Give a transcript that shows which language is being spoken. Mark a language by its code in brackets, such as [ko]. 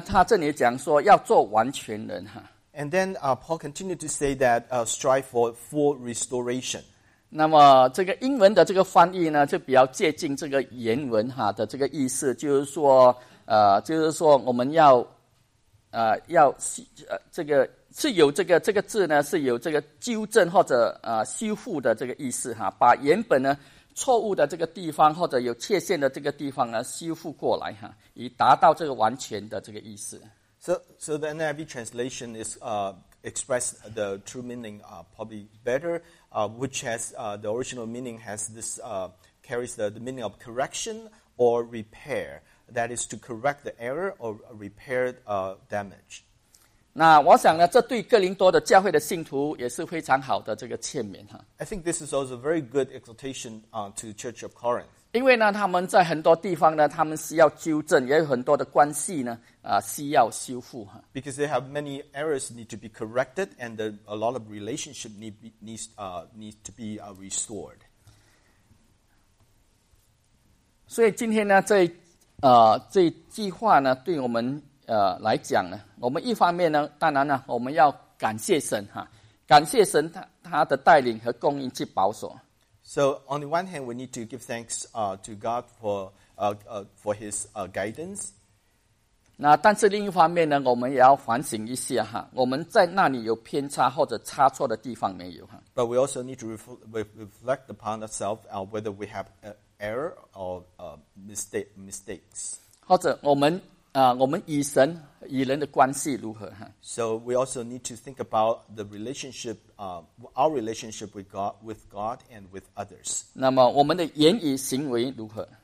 [zh] 他这里讲说要做完全人哈。 [en] And then Paul continued to say that strive for full restoration. [zh] 那么这个英文的这个翻译呢，就比较接近这个原文哈的这个意思，就是说我们要。要这个是有这个字呢，是有这个纠正或者修复的这个意思哈，把原本呢错误的这个地方或者有缺陷的这个地方呢修复过来哈，以达到这个完全的这个意思。 [en] So the NIV translation is express the true meaning probably better, which has the original meaning has this carries the meaning of correction or repair. That is to correct the error or repair damage. [zh] 那我想呢，这对哥林多的教会的信徒也是非常好的这个劝勉哈。 [en] I think this is also a very good exhortation to Church of Corinth. [zh] 因为呢，他们在很多地方呢，他们需要纠正，也有很多的关系呢，需要修复哈。 [en] Because they have many errors need to be corrected, and a lot of relationship needs to be restored. [zh] 所以今天呢，这句话呢，对我们来讲呢，我们一方面呢，当然呢，我们要感谢神哈，感谢神他的带领和供应去保守。 [en] So on the one hand, we need to give thanks to God for His guidance. [zh] 那但是另一方面呢，我们也要反省一下哈，我们在那里有偏差或者差错的地方没有哈。 [en] But we also need to reflect upon ourselves whether we have error or mistakes. [zh] 或者我们与神与人的关系如何？ [en] So we also need to think about the relationship, our relationship with God and with others. [zh] 那么我们的言语行为如何？